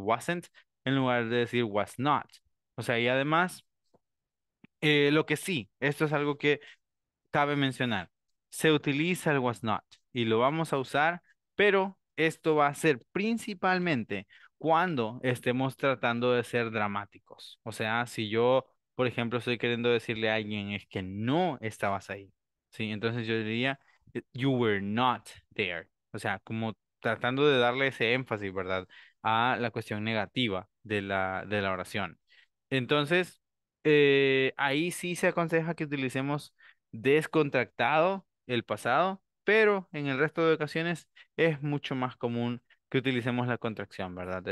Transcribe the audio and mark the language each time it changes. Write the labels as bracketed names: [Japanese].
[Spanish] Wasn't, en lugar de decir [English] was not. [Spanish] O sea, y además, lo que sí, esto es algo que cabe mencionar. Se utiliza el [English] was not [Spanish] y lo vamos a usar, pero esto va a ser principalmente cuando estemos tratando de ser dramáticos. O sea, si yo, por ejemplo, estoy queriendo decirle a alguien es que no estabas ahí. Sí, entonces yo diría, [English] you were not there. [Spanish] O sea, como tratando de darle ese énfasis, ¿verdad? A la cuestión negativa de la oración. Entonces, ahí sí se aconseja que utilicemos descontractado el pasado, pero en el resto de ocasiones es mucho más común que utilicemos la contracción, ¿verdad?